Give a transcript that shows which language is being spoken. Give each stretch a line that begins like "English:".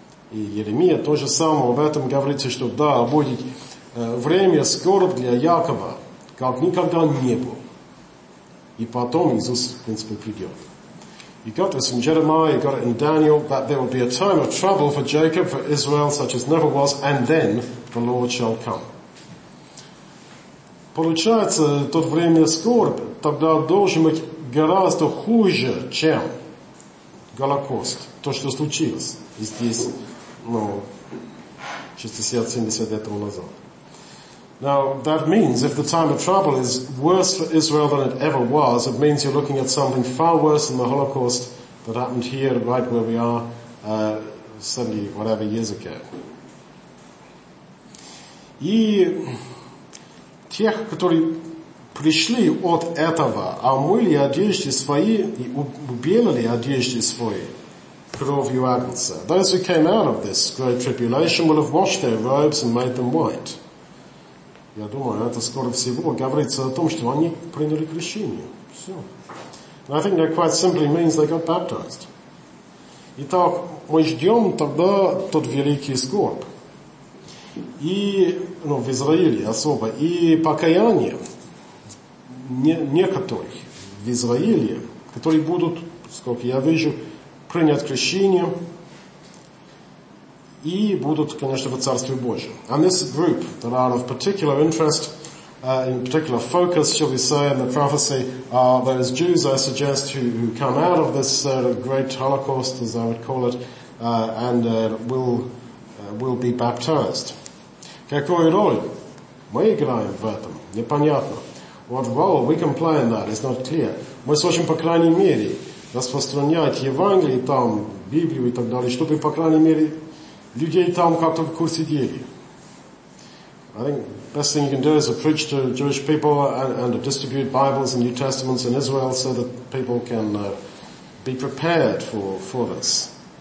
Russian: И Еремия то же самое об этом говорится, что да, будет время скоро для Якова, как никогда не было. И потом Иисус, в принципе, придет.
English: You got this in Jeremiah, you got it in Daniel, that there will be a time of trouble for Jacob, for Israel, such as never was, and then the Lord shall come.
Russian: Получается, тот время скорби тогда должен быть гораздо хуже, чем Голокост. то, что случилось здесь, ну, 60-70 лет назад.
English: Now, that means if the time of trouble is worse for Israel than it ever was, it means you're looking at something far worse than the Holocaust that happened here, right where we are, 70-whatever years ago.
Russian: И тех, которые пришли от этого, омыли одежды свои и убелили одежды свои кровью Агнца.
English: Those who came out of this great tribulation will have washed their robes and made them white.
Russian: Я думаю, это скоро всего говорится о том, что они приняли крещение. Все.
English: And I think that quite simply means they got baptized.
Russian: Итак, мы ждем тогда тот великий скорбь. И, ну, в Израиле особо. И покаяние некоторых в Израиле, которые будут, сколько я вижу, принять крещение и будут, конечно, во Царстве Божьем.
English: And this group that are of particular interest, in particular focus, shall we say, in the prophecy, are those Jews, I suggest, who come out of this great Holocaust, as I would call it, and will be baptized.
Russian: Какую роль мы играем в этом? Непонятно.
English: What role we can play in that is not clear.
Russian: Мы сможем, по крайней мере, распространять Евангелие там, Библию и так далее, чтобы, по крайней мере, людей там как-то в курсе дели.
English: I think the best thing you can do is to preach to Jewish people and to distribute Bibles and New Testaments in Israel so that people can be prepared for this.